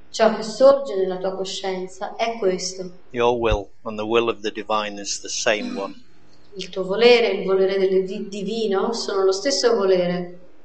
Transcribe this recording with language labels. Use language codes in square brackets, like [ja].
[it] Ciò che sorge nella tua coscienza è questo. [en] Your will and the will of the divine is the same one. [it] Il tuo volere e il volere del divino sono lo stesso volere.